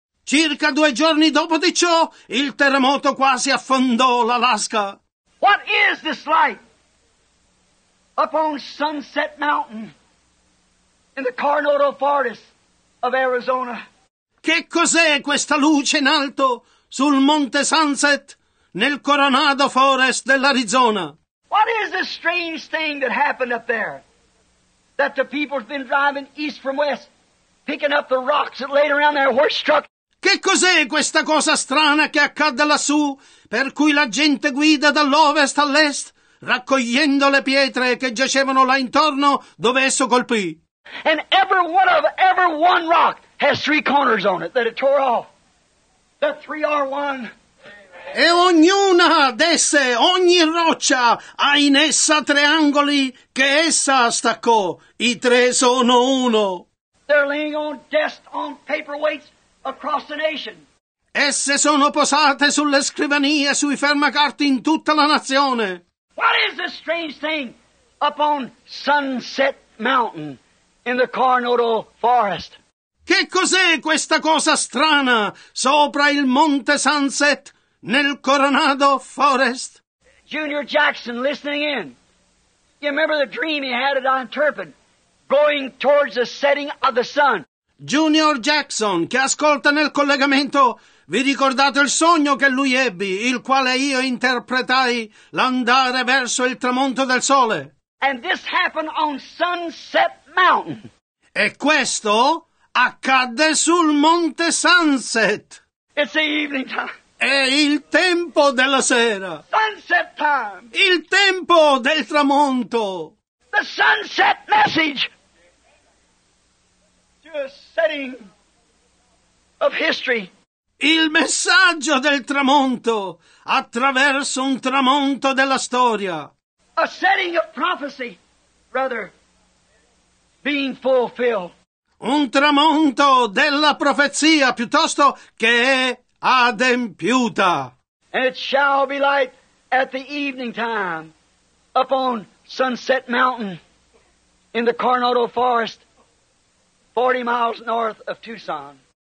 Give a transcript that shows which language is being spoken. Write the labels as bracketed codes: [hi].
[it] Circa 2 giorni dopo di ciò, il terremoto quasi affondò l'Alaska. [en] What is this light? Up on Sunset Mountain, in the Coronado Forest of Arizona. [it] Che cos'è questa luce in alto sul Monte Sunset nel Coronado Forest dell'Arizona? [en] What is this strange thing that happened up there? That the people's been driving east from west, picking up the rocks that laid around there were struck. [it] Che cos'è questa cosa strana che accadde lassù, per cui la gente guida dall'ovest all'est, raccogliendo le pietre che giacevano là intorno dove esso colpì? [en] And every one rock has three corners on it that it tore off. That 3R1. [it] E ognuna d'esse, ogni roccia, ha in essa tre angoli che essa staccò. I tre sono uno. [en] They're laying on desks on paperweights across the nation. [it] Esse sono posate sulle scrivanie, sui fermacarte in tutta la nazione. [en] What is this strange thing up on Sunset Mountain in the Coronado Forest? [it] Che cos'è questa cosa strana sopra il Monte Sunset nel Coronado Forest? [en] Junior Jackson, listening in. You remember the dream he had at Interpret, going towards the setting of the sun. [it] Junior Jackson, che ascolta nel collegamento, vi ricordate il sogno che lui ebbe, il quale io interpretai l'andare verso il tramonto del sole? [en] And this happened on Sunset Mountain. [it] E questo accadde sul Monte Sunset. [en] It's the evening time. [it] È il tempo della sera. [en] Sunset time. [it] Il tempo del tramonto. [en] The sunset message. To a setting of history. [it] Il messaggio del tramonto attraverso un tramonto della storia. [en] A setting of prophecy, rather, being fulfilled. [it] Un tramonto della profezia, piuttosto che è adempiuta. [en] And it shall be light at the evening time upon Sunset Mountain in the Coronado Forest, 40 miles north of Tucson.